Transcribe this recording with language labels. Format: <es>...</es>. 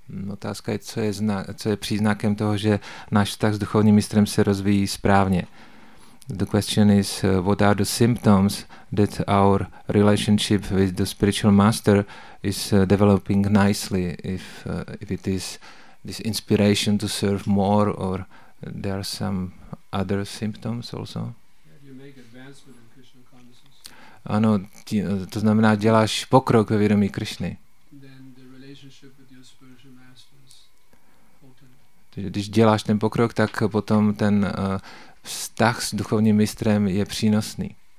<cs>Otázka je, co je příznakem toho, že náš vztah s duchovním mistrem se rozvíjí správně.</cs> <en>The question is, what are the symptoms that our relationship with the spiritual master is developing nicely, if it is this inspiration to serve more, or there are some other symptoms also? You make advancement in Krishna consciousness.</en> <cs>Ano, to znamená, děláš pokrok ve vědomí Krišny.</cs> <en>Then the relationship with your spiritual master is potent.</en> <cs>Když děláš ten pokrok, tak potom ten vztah s duchovním mistrem je přínosný.</cs>